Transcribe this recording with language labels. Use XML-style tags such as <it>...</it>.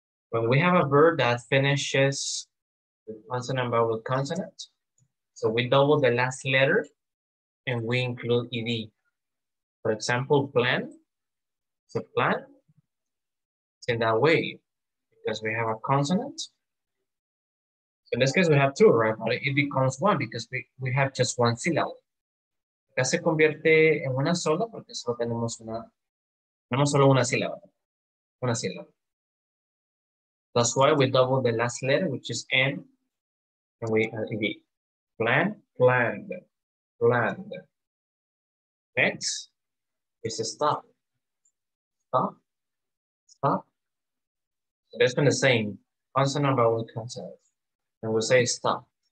<en>When we have a verb that finishes with consonant, vowel, consonant, so we double the last letter and we include ED. For example, plan, so plan, it's in that way. Because we have a consonant. So in this case, we have two, right? But it becomes one because we have just one syllable.</en> <es>Acá se convierte en una sola porque solo tenemos una, tenemos solo una sílaba. Una sílaba.</es> <en>That's why we double the last letter, which is N, and we add ED. Plan, planned, planned. Next is a stop. Stop, stop. That's been the same consonant vowel consonant, and we say stop.</en>